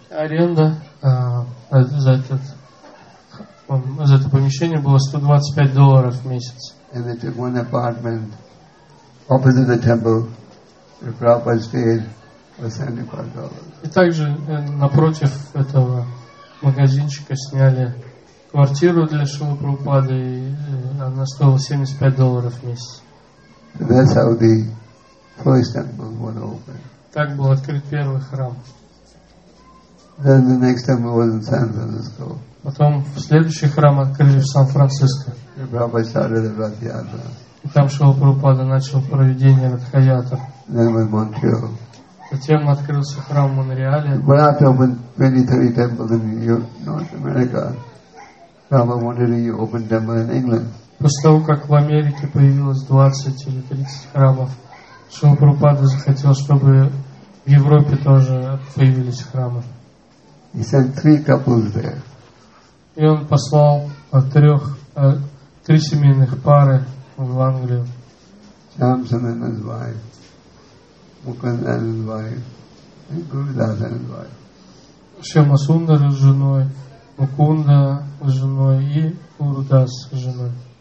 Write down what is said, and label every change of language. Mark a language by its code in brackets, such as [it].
[ru] Аренда за этот за это помещение было $125 в месяц. [en] And they took one apartment opposite the temple where Prabhupada stayed for $75. [ru] И также напротив этого магазинчика сняли квартиру для Шрилы Прабхупады и она стоила $75 в месяц. [en] So that's how the first temple was opened. [ru] Так был открыт первый храм. [en] Then the next temple was in San Francisco. [ru] Потом следующий храм открыли в Сан-Франциско. [en] И Прабхупада started the Радхаятра. [ru] И там Шрила Прабхупада начал проведение Радхаятра. [en] Then was Montreal. [ru] Затем открылся храм в Монреале. [en] When after opened 23 temples in North America, Prabhupada wanted to open temple in England. [ru] После того, как в Америке появилось 20 или 30 храмов, Шрила Прабхупада захотел, чтобы в Европе тоже появились храмы. [en] He sent three couples there. [ru] И он послал три семейных пары в Англию. [en] Samson and his wife, Mukund and his wife, and Gurudas and his wife. [ru] Шьяма Сундара с женой, Мукунда с женой и Урда с женой.